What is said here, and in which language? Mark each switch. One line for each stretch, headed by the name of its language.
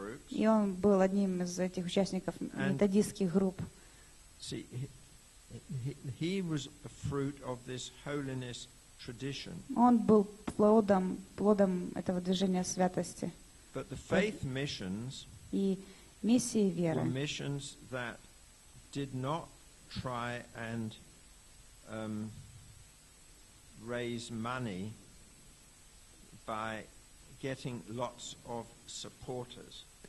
Russian: И он был одним из этих участников методистских групп.
English: See, he was a fruit of this holiness tradition.
Russian: Он был плодом этого движения святости.
English: But the faith missions
Russian: и миссии веры
English: were missions that did not try and raise money by getting lots of supporters.